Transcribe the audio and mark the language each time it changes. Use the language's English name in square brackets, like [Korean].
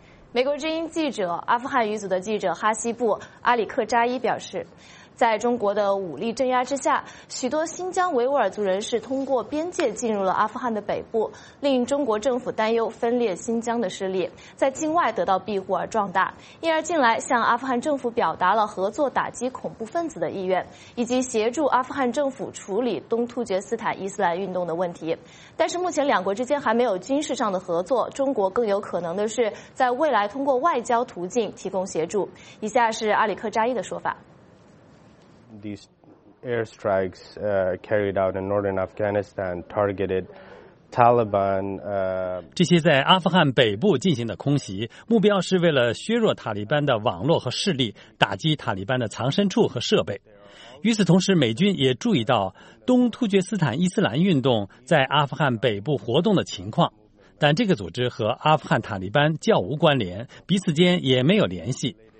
[Chinese] 美国之音记者、阿富汗语组的记者哈希布·阿里克扎伊表示，在中国的武力镇压之下，许多新疆维吾尔族人士通过边界进入了阿富汗的北部，令中国政府担忧分裂新疆的势力在境外得到庇护而壮大，因而近来向阿富汗政府表达了合作打击恐怖分子的意愿，以及协助阿富汗政府处理东突厥斯坦伊斯兰运动的问题。但是目前两国之间还没有军事上的合作，中国更有可能的是在未来通过外交途径提供协助。以下是阿里克扎伊的说法。 [English] These airstrikes carried out in northern Afghanistan targeted Taliban. [Chinese] 这些在阿富汗北部进行的空袭，目标是为了削弱塔利班的网络和势力，打击塔利班的藏身处和设备。与此同时，美军也注意到东突厥斯坦伊斯兰运动在阿富汗北部活动的情况，但这个组织和阿富汗塔利班较无关联，彼此间也没有联系。